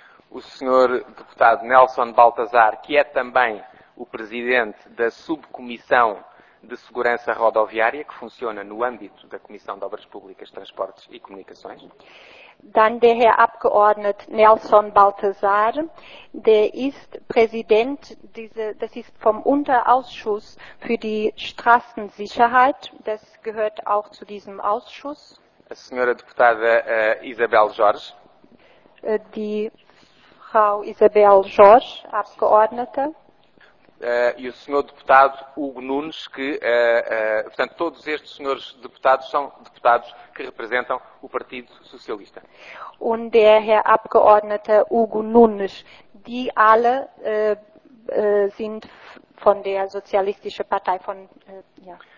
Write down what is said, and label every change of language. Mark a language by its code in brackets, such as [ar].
[pt] O senhor deputado Nelson Baltazar, que é também o presidente da Subcomissão de Segurança Rodoviária, que funciona no âmbito da Comissão de Obras Públicas, Transportes e Comunicações. [de] Dann der Herr Abgeordnete Nelson Baltazar, der ist Präsident, das ist vom Unterausschuss für die Straßensicherheit, das gehört auch zu diesem Ausschuss. [pt] A senhora deputada Isabel Jorge. [de] Die Frau Isabel Jorge, Abgeordnete. [pt] E o senhor deputado Hugo Nunes, que, portanto, todos estes senhores deputados são deputados que representam o Partido Socialista. [de] Und der Herr Abgeordnete Hugo Nunes, die alle sind von der Sozialistischen Partei von, ja.